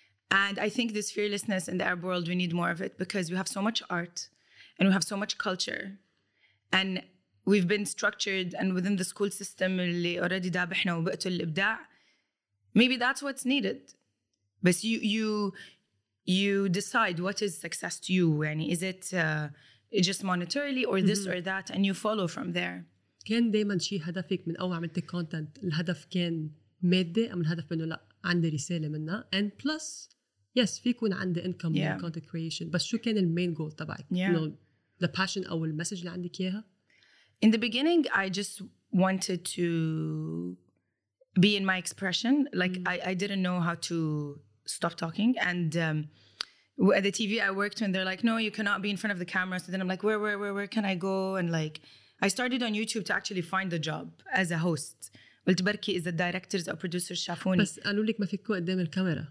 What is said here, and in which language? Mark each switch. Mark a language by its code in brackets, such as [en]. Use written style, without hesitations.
[en] And I think this fearlessness in the Arab world, we need more of it because we have so much art and we have so much culture and we've been structured and within the school system [ar] اللي [en] already [ar] دابحنا وبقتوا الإبداع, [en] maybe that's what's needed. But you decide what is success to you. [ar] يعني [en] is it just monetarily or this or that? And you follow from there. [ar] كان دايما شي هدفك من أول عملت content, الهدف كان مادي أم الهدف منه لا؟ عندي رسالة منها [en] and plus yes [ar] في يكون عندي income [en] yeah. content creation [ar] بس شو كان المين goal تبعك [en] yeah. you know, the passion [ar] أو المسج اللي عندك إياها [en] in the beginning I just wanted to be in my expression like I didn't know how to stop talking and at the TV I worked when they're like no you cannot be in front of the camera so then I'm like where can I go and like I started on YouTube to actually find the job as a host [ar] قلت بركي إذا الدايركترز أو بروديوسرز شافوني. بس قالوا لك ما فيكوا قدام الكاميرا.